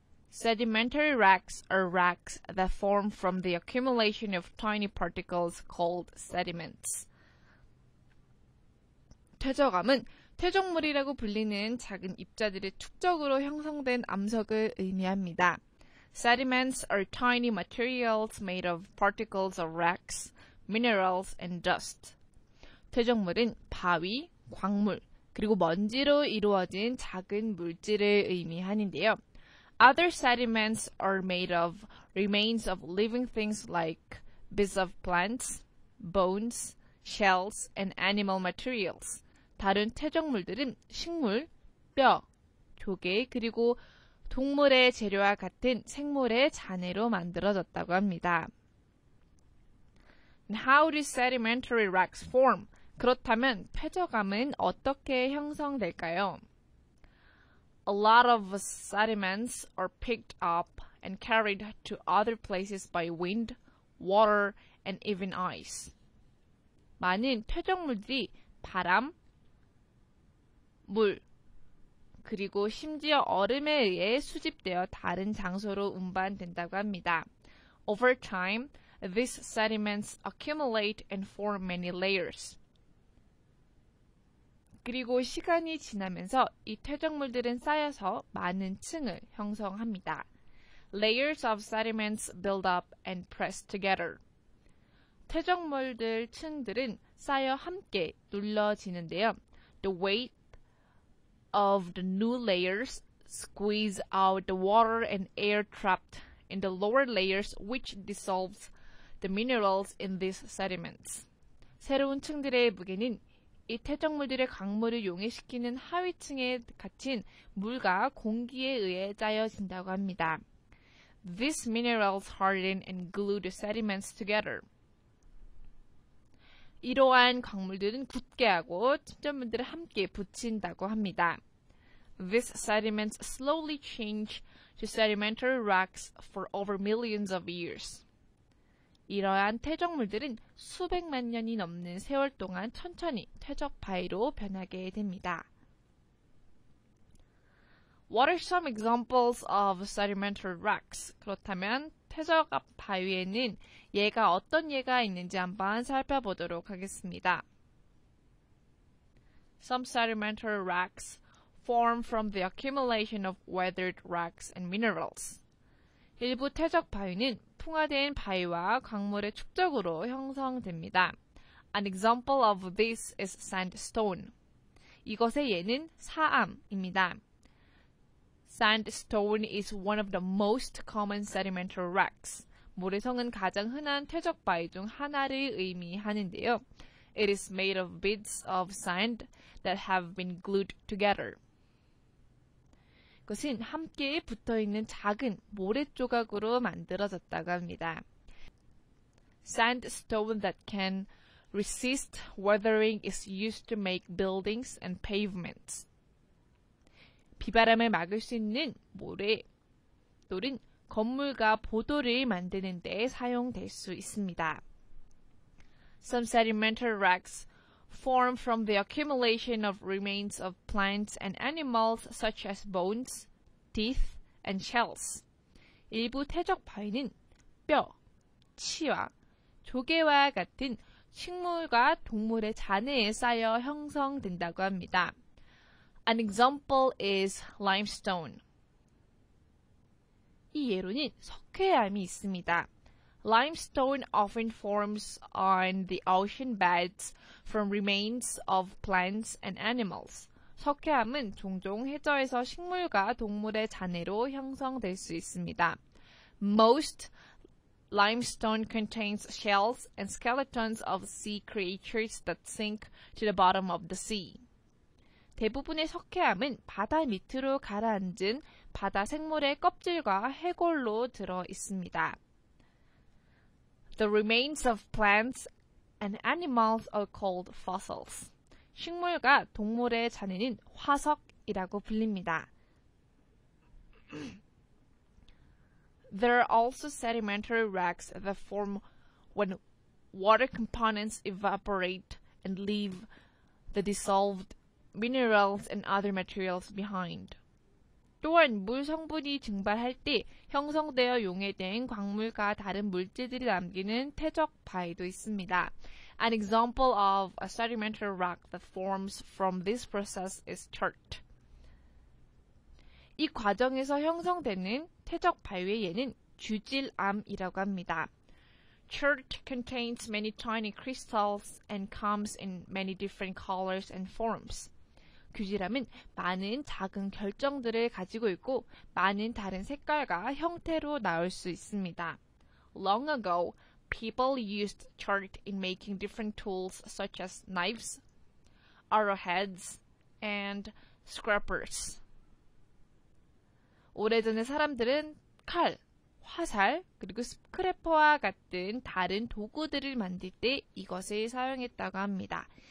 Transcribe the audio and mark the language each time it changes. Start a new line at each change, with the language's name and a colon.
English: Sedimentary rocks are rocks that form from the accumulation of tiny particles called sediments.
Korean: 퇴적암은 퇴적물이라고 불리는 작은 입자들의 축적으로 형성된 암석을 의미합니다.
English: Sediments are tiny materials made of particles of rocks, minerals, and dust.
Korean: 퇴적물은 바위, 광물, 그리고 먼지로 이루어진 작은 물질을 의미하는데요.
English: Other sediments are made of remains of living things like bits of plants, bones, shells, and animal materials.
Korean: 다른 퇴적물들은 식물, 뼈, 조개, 그리고 동물의 재료와 같은 생물의 잔해로 만들어졌다고 합니다.
English: How do sedimentary rocks form?
Korean: 그렇다면 퇴적암은 어떻게 형성될까요?
English: A lot of sediments are picked up and carried to other places by wind, water, and even ice.
Korean: 많은 퇴적물들이 바람, 물, 그리고 심지어 얼음에 의해 수집되어 다른 장소로 운반된다고 합니다.
English: Over time, these sediments accumulate and form many layers.
Korean: 그리고 시간이 지나면서 이 퇴적물들은 쌓여서 많은 층을 형성합니다.
English: Layers of sediments build up and press together.
Korean: 퇴적물들 층들은 쌓여 함께 눌러지는데요.
English: The weight of the new layers squeeze out the water and air trapped in the lower layers, which dissolves the minerals in these sediments.
Korean: 새로운 층들의 무게는 이 퇴적물들의 강물을 용해시키는 하위층에 갇힌 물과 공기에 의해 짜여진다고 합니다.
English: These minerals harden and glue the sediments together.
Korean: 이러한 강물들은 굳게 하고 침전물들을 함께 붙인다고 합니다.
English: These sediments slowly change to sedimentary rocks for over millions of years.
Korean: 이러한 퇴적물들은 수백만 년이 넘는 세월 동안 천천히 퇴적 바위로 변하게 됩니다.
English: What are some examples of sedimentary rocks?
Korean: 그렇다면 퇴적 바위에는 얘가 어떤 예가 있는지 한번 살펴보도록 하겠습니다.
English: Some sedimentary rocks form from the accumulation of weathered rocks and minerals.
Korean: 일부 퇴적 바위는 풍화된 바위와 강물의 축적으로 형성됩니다.
English: An example of this is sandstone.
Korean: 이것의 예는 사암입니다.
English: Sandstone is one of the most common sedimentary rocks.
Korean: 모래성은 가장 흔한 퇴적 바위 중 하나를 의미하는데요.
English: It is made of bits of sand that have been glued together.
Korean: 그것은 함께 붙어 있는 작은 모래 조각으로 만들어졌다고 합니다.
English: Sandstone that can resist weathering is used to make buildings and pavements.
Korean: 비바람을 막을 수 있는 모래 돌은 건물과 보도를 만드는 데 사용될 수 있습니다.
English: Some sedimentary rocks form from the accumulation of remains of plants and animals such as bones, teeth and shells.
Korean: 일부 퇴적 바위는 뼈, 치와 조개와 같은 식물과 동물의 잔해에 쌓여 형성된다고 합니다.
English: An example is limestone.
Korean: 이 예로는 석회암이 있습니다.
English: Limestone often forms on the ocean beds from remains of plants and animals.
Korean: 석회암은 종종 해저에서 식물과 동물의 잔해로 형성될 수 있습니다.
English: Most limestone contains shells and skeletons of sea creatures that sink to the bottom of the sea.
Korean: 대부분의 석회암은 바다 밑으로 가라앉은 바다 생물의 껍질과 해골로 들어 있습니다.
English: The remains of plants and animals are called fossils.
Korean: 식물과 동물의 잔해는 이라고 불립니다.
English: There are also sedimentary rocks that form when water components evaporate and leave the dissolved minerals and other materials behind.
Korean: 또한 물 성분이 증발할 때 형성되어 용해된 광물과 다른 물질들이 남기는 퇴적 바위도 있습니다.
English: An example of a sedimentary rock that forms from this process is chert.
Korean: 이 과정에서 형성되는 퇴적 바위의 예는 주질암이라고 합니다.
English: Chert contains many tiny crystals and comes in many different colors and forms.
Korean: 규질암은 많은 작은 결정들을 가지고 있고 많은 다른 색깔과 형태로 나올 수 있습니다.
English: Long ago, people used chert in making different tools such as knives, arrowheads, and scrapers.
Korean: 오래전에 사람들은 칼, 화살, 그리고 스크래퍼와 같은 다른 도구들을 만들 때 이것을 사용했다고 합니다.